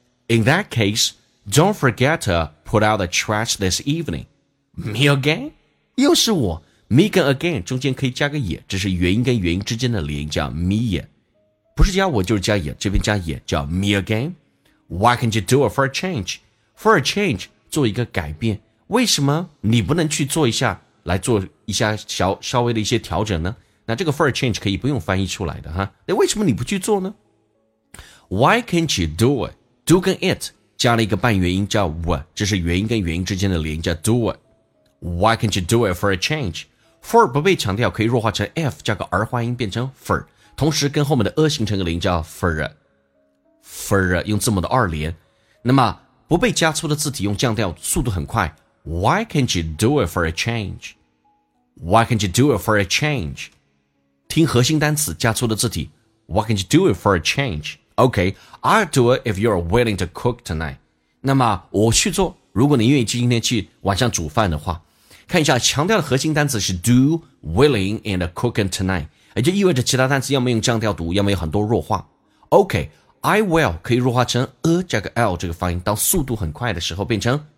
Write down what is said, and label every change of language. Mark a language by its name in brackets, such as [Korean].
[English] In that case, don't forget to put out the trash this evening. Me again? [Chinese] 又是我。Me 跟 again 中间可以加个也，这是元音跟元音之间的连音叫 me 也。不是加我就是加也，这边加也叫 [English] me again. Why can't you do it for a change? For a change, [Chinese] 做一个改变。为什么你不能去做一下，来做一下小稍微的一些调整呢？那这个 [English] for a change [Chinese] 可以不用翻译出来的哈。那为什么你不去做呢？ [English] Why can't you do it? [Chinese] Do 跟 it 加了一个半元音叫 w， 这是元音跟元音之间的连音叫 [English] do it。 Why can't you do it for a change? [Chinese] For 不被强调，可以弱化成 f 加个儿化音变成 for， 同时跟后面的 a 形成个连音叫 for 用字母的二连。那么不被加粗的字体用降调速度很快， [English] Why can't you do it for a change? Why can't you do it for a change? [Chinese] 听核心单词加粗的字体。 [English] Why can't you do it for a change? Okay, I'll do it if you're willing to cook tonight. [Chinese] 那么我去做，如果你愿意今天去晚上煮饭的话。看一下强调的核心单词是 [English] do, willing, and cooking tonight. [Chinese] 也就意味着其他单词要么用降调读，要么有很多弱化。 [English] Okay, I will [Chinese] 可以弱化成 a 加个 l 这个发音，当速度很快的时候变成